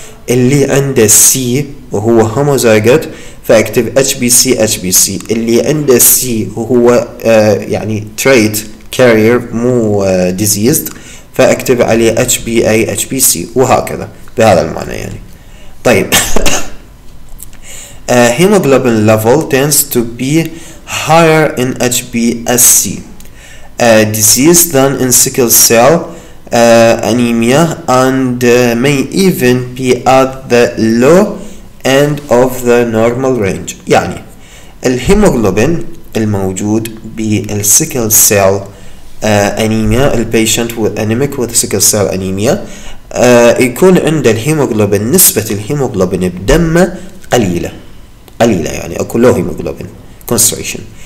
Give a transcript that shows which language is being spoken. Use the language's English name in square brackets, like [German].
[Arabic] اللي عنده C وهو هوموزايجوت فاكتب HBC HBC. اللي عنده C وهو يعني [English] trait carrier مو diseased [Arabic] فاكتب عليه HBA HBC, وهكذا بهذا المعنى يعني. [English] طيب hemoglobin level tends to be higher in HBSC disease than in sickle cell anemia and may even be at the low end of the normal range. [Arabic] يعني الهيموغلوبين الموجود بالسيكل سيل [English] anemia, the patient with anemic with sickle cell anemia, [Arabic] يكون عند الهيموغلوبين نسبة الهيموغلوبين بدمه قليلة, يعني أكو [English] low hemoglobin concentration.